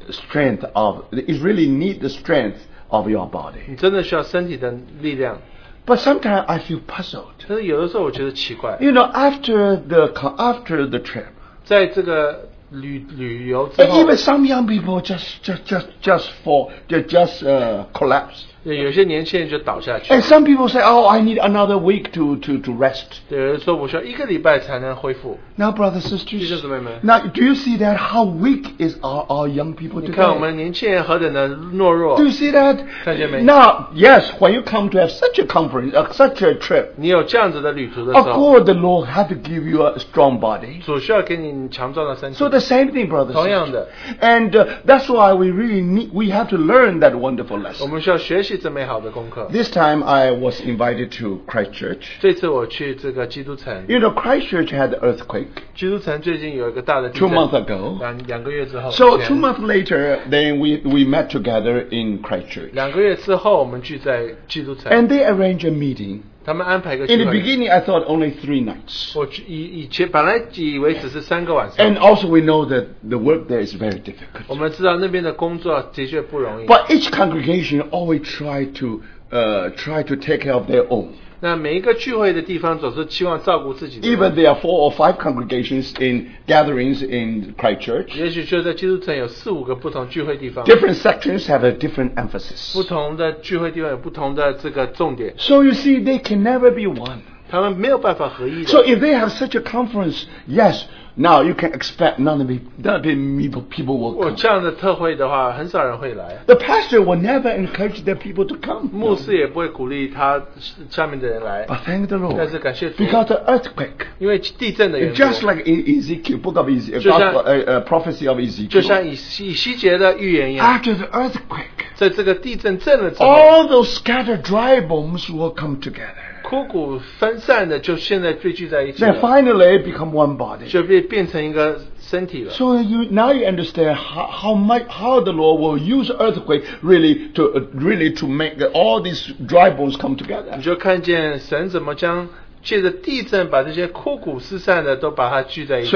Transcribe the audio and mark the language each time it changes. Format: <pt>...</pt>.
<en>it really need the strength of your body.</en> <zh>你真的需要身体的力量,</zh> <en>but sometimes I feel puzzled.</en> <zh>但是有的时候我觉得奇怪,</zh> <en>you know, after the trip,</en> <zh>在这个 旅游之后,</zh> <en>even some young people just collapsed.</en> <zh>有些年轻人就倒下去,</zh> <en>and some people say, oh, I need another week to rest.</en> <zh>有人说我需要一个礼拜才能恢复。</zh> <en>Now, brothers and sisters,</en> <zh>弟兄姊妹们,</zh> <en>now, do you see that how weak is our young people today?</en> <zh>你看我们年轻人何等的懦弱,</zh> <en>do you see that?</en> <zh>看见没?</zh> <en>Now, yes, when you come to have such a conference, such a trip,</en> <zh>你有这样子的旅途的时候,</zh> <en>of course, the Lord had to give you a strong body.</en> <zh>主需要给你强壮的身体。</zh> <en>So the same thing, brothers and sisters. And that's why we really need, we have to learn that wonderful lesson.</en> <zh>我们需要学,</zh> <en>this time I was invited to Christchurch. You know, Christchurch had an earthquake</en> <zh>基督城最近有一个大的地震,</zh> <en>2 months ago.</en> <zh>两个月之后,</zh> <en>so 2 months later, then we met together in Christchurch.</en> <zh>两个月之后我们聚在基督城,</zh> <en>and they arranged a meeting. In the beginning, I thought only 3 nights.</en> <zh>我以前本来以为只是三个晚上。</zh> <en>And also we know that the work there is very difficult.</en> <zh>我们知道那边的工作的确不容易。</zh> <en>But each congregation always try to take care of their own.</en> <zh>那每一个聚会的地方总是希望照顾自己的人。</zh> <en>Even there are 4 or 5 congregations in gatherings in Christchurch.</en> <zh>也许就在基督城有4、5个不同聚会地方。</zh> <en>Different sections have a different emphasis.</en> <zh>不同的聚会地方有不同的这个重点。</zh> <en>So you see, they can never be one.</en> <zh>他们没有办法合一的。</zh> <en>So if they have such a conference, yes, now you can expect none of the people will come.</en> <zh>这样的特会的话, 很少人会来。</zh> <en>The pastor will never encourage their people to come.</en> <zh>牧师也不会鼓励他下面的人来。</zh> <en>But thank the Lord.</en> <zh>但是感谢主,</zh> <en>because the earthquake,</en> <zh>因为地震的缘故,</zh> <en>just like in Ezekiel, book of Ezekiel,</en> <zh>就像,</zh> <en>prophecy of Ezekiel,</en> <zh>就像以西结的预言一样,</zh> <en>after the earthquake,</en> <zh>在这个地震震了之后,</zh> <en>all those scattered dry bones will come together.</en> <zh>枯骨分散的就现在聚在一起了,</zh> <en>then finally become one body.</en> <zh>就变成一个身体了。</zh> <en>So now you understand how the Lord will use earthquake really to make all these dry bones come together.</en> <zh>你就看见神怎么将借着地震把这些枯骨失散的都把它聚在一起。</zh>